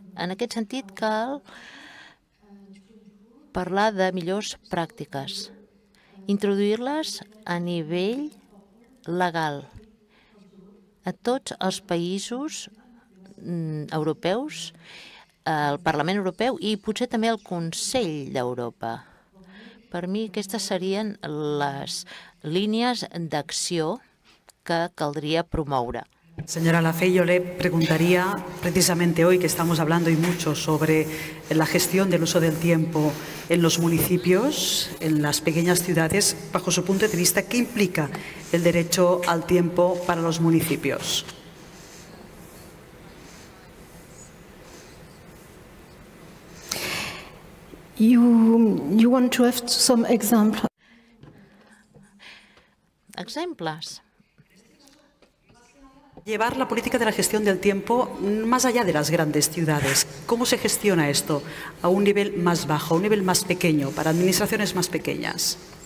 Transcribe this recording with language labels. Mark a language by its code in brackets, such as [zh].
[ca] En aquest sentit, cal parlar de millors pràctiques, introduir-les a nivell legal a tots els països europeus, al Parlament Europeu i potser també al Consell d'Europa. Per mi, aquestes serien les línies d'acció que caldria promoure. [es] Señora Lafey, yo le preguntaría, precisamente hoy que estamos hablando y mucho sobre la gestión del uso del tiempo en los municipios, en las pequeñas ciudades, bajo su punto de vista, ¿qué implica el derecho al tiempo para los municipios? [en] You want to have some examples? [ca] Exemples. [es] Llevar la política de la gestión del tiempo más allá de las grandes ciudades. ¿Cómo se gestiona esto a un nivel más bajo, a un nivel más pequeño, para administraciones más pequeñas?